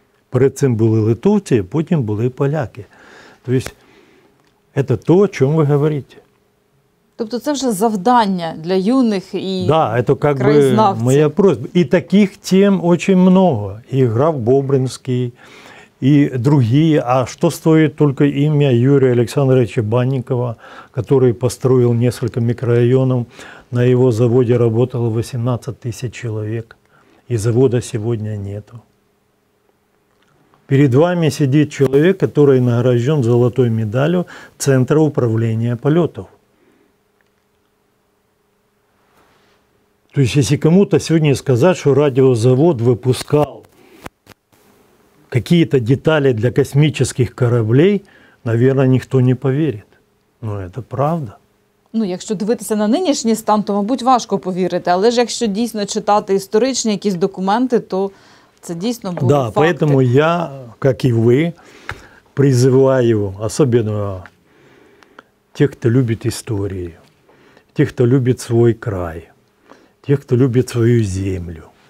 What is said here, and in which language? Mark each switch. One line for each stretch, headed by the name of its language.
Ukrainian: Перед цим були литовці, а потім були поляки. Тобто, це то, о чому ви говорите. Тобто, це вже завдання для юних і краєзнавців. Так, це якби моя просьба. І таких тем дуже багато. І граф Бобринський,
Russian: и другие. А что стоит только имя Юрия Александровича Банникова, который построил несколько микрорайонов. На его заводе работало 18 тысяч человек. И завода сегодня нету. Перед вами сидит человек, который награжден золотой медалью Центра управления полетов. То есть, если кому-то сегодня сказать, что радиозавод выпускал какие-то детали для космических кораблей, наверное, никто не поверит. Но это правда.
Ukrainian: Ну, якщо дивитися на нинішній стан, то, мабуть, важко повірити. Але ж якщо дійсно читати історичні якісь документи, то це дійсно були факти. Так, тому я, як і ви, призиваю, особливо тих, хто любить історію, тих, хто любить свій край, тих, хто любить свою землю.